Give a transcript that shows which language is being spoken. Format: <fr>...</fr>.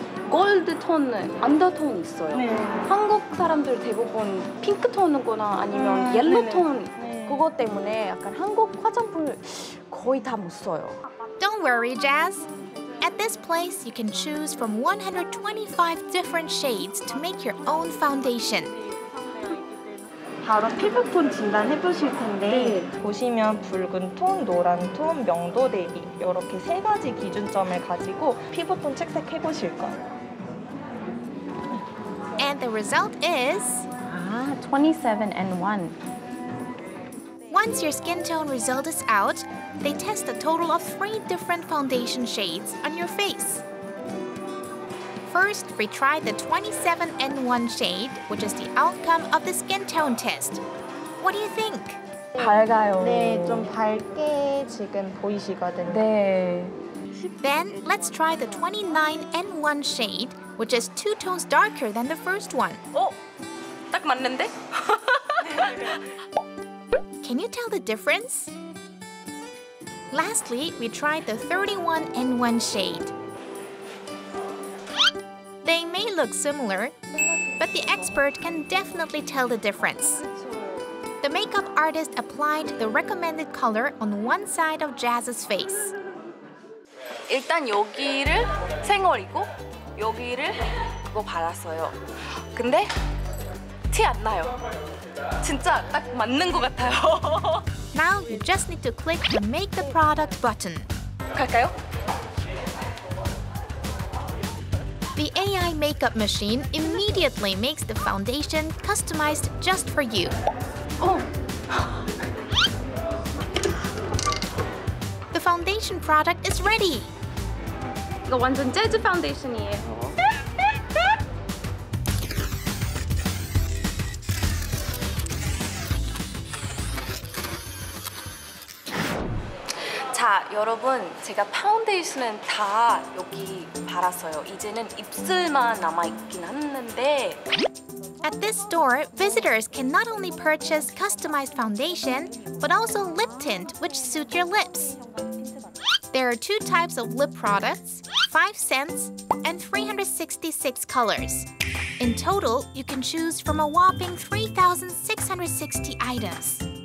<en>Gold tone, undertone</en> <ko>있어요. 네. 한국 사람들 대부분 핑크 톤이거나 아니면 yellow tone 그것 때문에 약간 한국 화장품을 거의 다 못 써요.</ko> <en>Don't worry, Jazz. At this place, you can choose from 125 different shades to make your own foundation.</en> <ko>바로 피부톤 진단해 보실 텐데 네. 보시면 붉은 톤, 노란 톤, 명도 대비 이렇게 세 가지 기준점을 가지고 피부톤 채색해 보실 거예요.</ko> <en>And the result is 27N1. Once your skin tone result is out, they test a total of 3 different foundation shades on your face. First, retry the 27N1 shade, which is the outcome of the skin tone test. What do you think?</en> <ko>밝아요. 네, 좀 밝게 지금 보이시거든요. 네.</ko> <en>Then, let's try the 29N1 shade, which is 2 tones darker than the first one.</en> <ko>어? 딱 맞는데?</ko> <en>Can you tell the difference? Lastly, we tried the 31N1 shade. They may look similar, but the expert can definitely tell the difference. The makeup artist applied the recommended color on one side of Jazz's face.</en> <ko>일단 여기를 생얼이고 여기를 그거 발랐어요. 근데 티 안 나요. 진짜 딱 맞는 것 같아요.</ko> <en>Now you just need to click the Make the Product button.</en> <ko>갈까요?</ko> <en>The AI makeup machine immediately makes the foundation customized just for you. The foundation product is ready.</en> <ko>이거 완전 재즈 파운데이션이에요. Everyone, 제가 파운데이션은 다 여기 발랐어요. 이제는 입술만 남아 있긴 한데.</ko> <en>At this store, visitors can not only purchase customized foundation, but also lip tint, which suits your lips. There are two types of lip products, 5 cents and 366 colors. In total, you can choose from a whopping 3,660 items.</en>